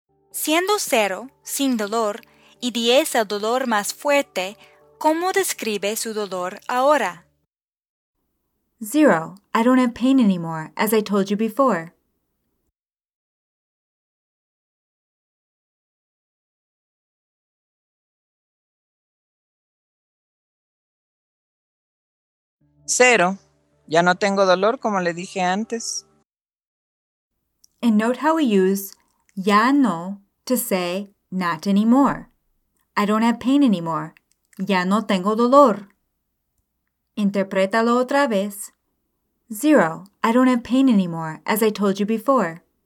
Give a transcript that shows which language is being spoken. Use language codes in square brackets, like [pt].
[es] Siendo 0, sin dolor, y 10 el dolor más fuerte, ¿cómo describe su dolor ahora? [en] 0. I don't have pain anymore, as I told you before. [es] Cero. Ya no tengo dolor, como le dije antes. [en] And note how we use [es] ya no [en] to say not anymore. I don't have pain anymore. [es] Ya no tengo dolor. Interprétalo otra vez. 0. [en] I don't have pain anymore, as I told you before.